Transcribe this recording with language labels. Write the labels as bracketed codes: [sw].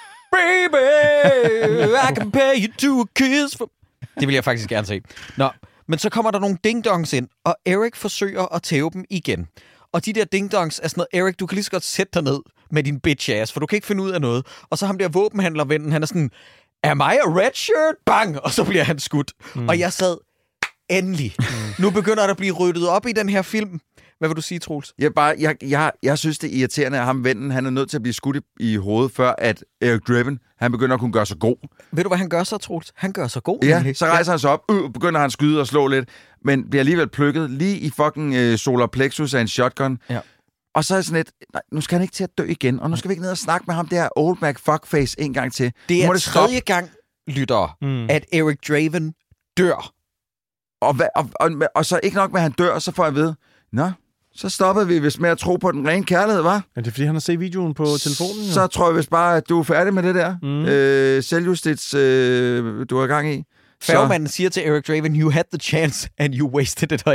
[en] Baby, I can pay you to a kiss for... [da] Det vil jeg faktisk gerne se. Nå, men så kommer der nogle ding-dongs ind, og Eric forsøger at tæve dem igen. Og de der ding-dongs er sådan noget, Eric, du kan lige så godt sætte dig ned med din bitch ass, for du kan ikke finde ud af noget. Og så ham der våbenhandlervennen, han er sådan, [en] am I a red shirt? [da] Bang! Og så bliver han skudt. Mm. Og jeg sad, endelig. Mm. Nu begynder der at blive ryddet op i den her film. Hvad vil du sige, Troels? Jeg synes, det er irriterende, at ham vennen, han er nødt til at blive skudt i hovedet, før at Eric Draven, han begynder at kunne gøre sig god. Ved du, hvad han gør så, Troels? Han gør sig god. Ja, så rejser han sig op, begynder han at skyde og slå lidt, men bliver alligevel plukket lige i fucking solar plexus af en shotgun. Ja. Og så er det sådan lidt, nej, nu skal han ikke til at dø igen, og nu skal vi ikke ned og snakke med ham der old Mac fuckface en gang til. Det er tredje gang, lyttere, at Eric Draven dør. Og så ikke nok med, at han dør, så får jeg ved, nå, så stopper vi vist med at tro på den rene kærlighed, hva'? Ja, det er, fordi han har set videoen på telefonen. Så jo. Tror jeg vist bare, at du er færdig med det der. Mm. Selvjustits, du er i gang i. Færgemanden siger til Eric Draven, [en] you had the chance, and you wasted it.